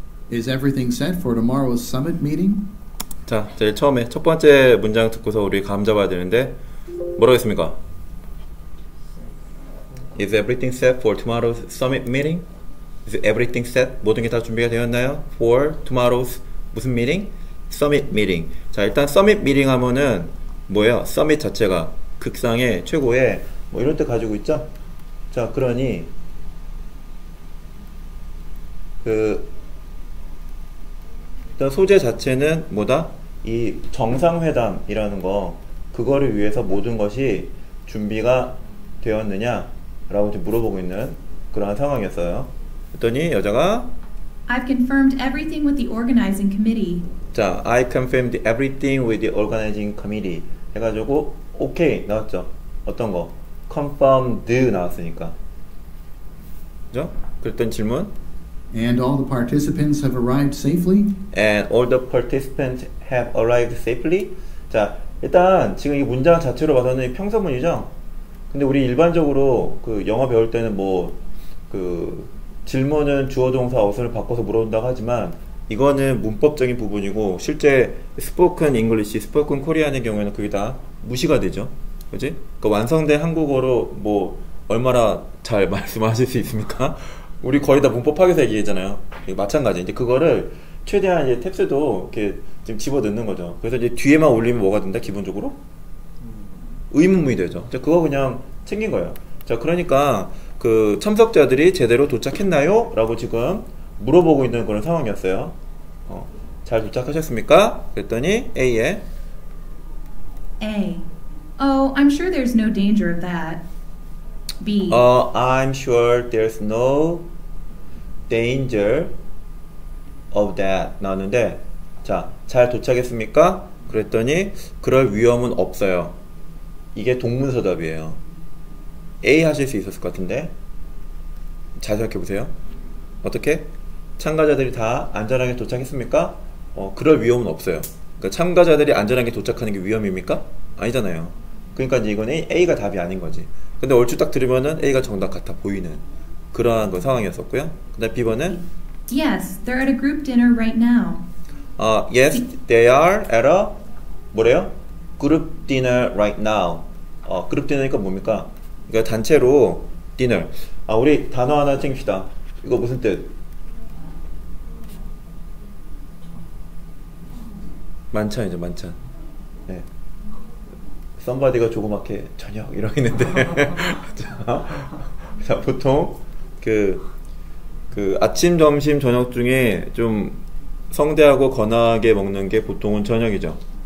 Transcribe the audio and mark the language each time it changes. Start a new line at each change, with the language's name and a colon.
English: Is everything set for tomorrow's summit meeting?
Korean: 자, 제일 처음에 첫 번째 문장 듣고서 우리 감 잡아야 되는데 뭐라고 했습니까?
English: Is everything set for tomorrow's summit meeting? Is everything set?
Korean: 모든 게 다 준비가 되었나요?
English: For tomorrow's
Korean: 무슨
English: meeting? Summit meeting.
Korean: 자, 일단 summit meeting 하면은 뭐예요? Summit 자체가 극상의 최고의 뭐 이런 뜻 가지고 있죠? 자, 그러니 그 일단 소재 자체는 뭐다? 이 정상회담이라는 거, 그거를 위해서 모든 것이 준비가 되었느냐 라고 지금 물어보고 있는 그러한 상황이었어요. 그랬더니 여자가
English: I've confirmed everything with the organizing committee. 자, I confirmed everything with the organizing committee
Korean: 해가지고 오케이 나왔죠. 어떤 거? Confirmed 나왔으니까. 그죠? 그랬던 질문
English: And all the participants have arrived safely? And all the participants have arrived safely?
Korean: 자, 일단 지금 이 문장 자체로 봐서는 평서문이죠? 근데 우리 일반적으로 그 영어 배울 때는 뭐 그 질문은 주어 동사 어순을 바꿔서 물어본다고 하지만 이거는 문법적인 부분이고 실제 spoken English, spoken Korean의 경우에는 그게 다 무시가 되죠. 그렇지? 그 완성된 한국어로 뭐 얼마나 잘 말씀하실 수 있습니까? 우리 거의 다 문법학에서 얘기했잖아요. 마찬가지. 이제 그거를 최대한 이제 탭스도 이렇게 지금 집어 넣는 거죠. 그래서 이제 뒤에만 올리면 뭐가 된다? 기본적으로 의문문이 되죠. 자, 그거 그냥 챙긴 거예요. 자, 그러니까 그 참석자들이 제대로 도착했나요? 라고 지금 물어보고 있는 그런 상황이었어요. 잘 도착하셨습니까? 그랬더니 A에 A.
English: Oh, I'm sure there's no danger of that. B. I'm sure there's no danger of that.
Korean: 나왔는데 자, 잘 도착했습니까? 그랬더니 그럴 위험은 없어요. 이게 동문서답이에요. A 하실 수 있었을 것 같은데 잘 생각해보세요. 어떻게? 참가자들이 다 안전하게 도착했습니까? 그럴 위험은 없어요. 그러니까 참가자들이 안전하게 도착하는 게 위험입니까? 아니잖아요. 그러니까 이건 A가 답이 아닌 거지. 근데 얼추 딱 들으면은 A가 정답 같아 보이는 그러한 그 상황이었었고요. 근데 B번은
English: Yes, they're at a group dinner right now. Yes, they are at a
Korean: 뭐래요?
English: Group dinner right now.
Korean: Group dinner니까 뭡니까? 그러니까 단체로 dinner. 아, 우리 단어 하나 챙깁시다. 이거 무슨 뜻? 만찬이죠, 만찬. 네. Somebody가 조그맣게 저녁 이러고 있는데 자, 자, 보통 그 아침, 점심, 저녁 중에 좀 성대하고 거나하게 먹는 게 보통은 저녁이죠.